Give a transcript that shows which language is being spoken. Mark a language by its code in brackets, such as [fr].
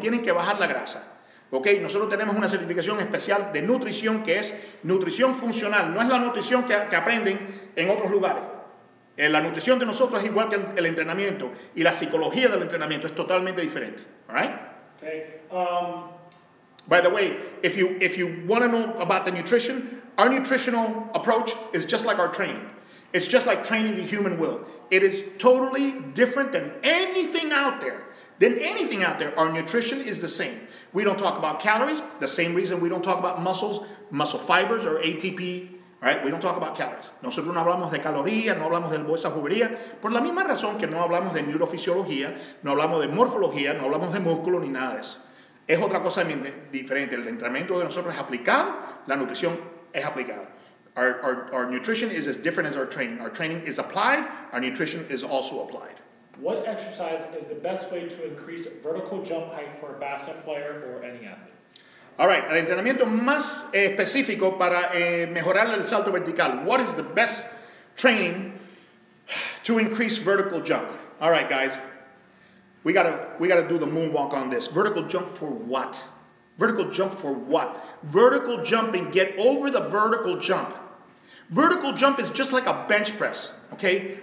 [es] Tienen que bajar la grasa. ¿Okay? Nosotros tenemos una certificación especial de nutrición que es nutrición funcional. No es la nutrición que aprenden en otros lugares. La nutrición de nosotros es igual que el entrenamiento. Y la psicología del entrenamiento es totalmente diferente. [en] All right? By the way, if you want to know about the nutrition, our nutritional approach is just like our training. It's just like training the human will. It is totally different than anything out there. Our nutrition is the same. We don't talk about calories, the same reason we don't talk about muscles, muscle fibers, or ATP, right? We don't talk about calories. [es] Nosotros no hablamos de calorías, no hablamos de bolsa juguería, por la misma razón que no hablamos de neurofisiología, no hablamos de morfología, no hablamos de músculo, ni nada de eso. Es otra cosa diferente. El entrenamiento de nosotros es aplicado, la nutrición es aplicada. [en] Our nutrition is as different as our training. Our training is applied. Our nutrition is also applied. What exercise is the best way to increase vertical jump height for a basketball player or any athlete? All right. [es] El entrenamiento más específico para mejorar el salto vertical. [en] What is the best training to increase vertical jump? All right, guys. We gotta do the moonwalk on this. Vertical jump for what? Vertical jump for what? Vertical jumping. Get over the vertical jump. Vertical jump is just like a bench press, okay?